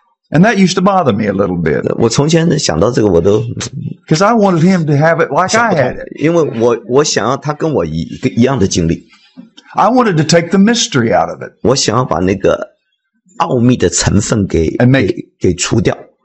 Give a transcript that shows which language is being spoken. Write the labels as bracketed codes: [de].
[en] And that used to bother me a little bit. [zh] 我从前想到这个我都。 [en] Because I wanted him to have it like I had it. [zh] 因为我想要他跟我一样的经历。 [en] I wanted to take the mystery out of it. [zh] 我想要把那个奥秘的成分给除掉。